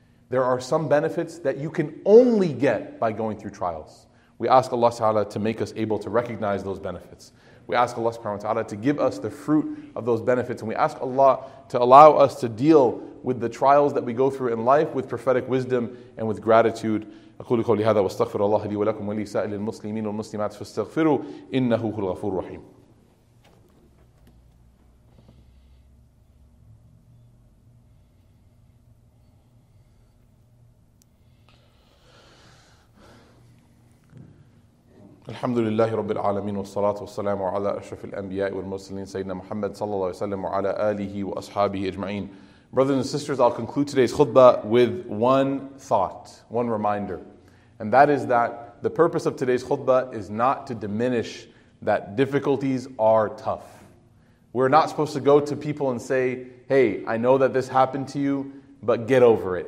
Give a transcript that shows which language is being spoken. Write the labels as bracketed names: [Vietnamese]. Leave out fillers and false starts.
[English] There are some benefits that you can only get by going through trials. We ask Allah Ta'ala to make us able to recognize those benefits. We ask Allah subhanahu wa ta'ala to give us the fruit of those benefits. And we ask Allah to allow us to deal with the trials that we go through in life with prophetic wisdom and with gratitude. [Arabic] أقول قولي هذا واستغفر الله لي ولكم ولسائر المسلمين والمسلمات فاستغفروا إنه هو الغفور الرحيم. الحمد لله رب العالمين والصلاة والسلام على أشرف الأنبياء والمرسلين سيدنا محمد صلى الله عليه وسلم وعلى آله وأصحابه أجمعين. [English] Brothers and sisters, I'll conclude today's khutbah with one thought, one reminder. And that is that the purpose of today's khutbah is not to diminish that difficulties are tough. We're not supposed to go to people and say, "Hey, I know that this happened to you, but get over it.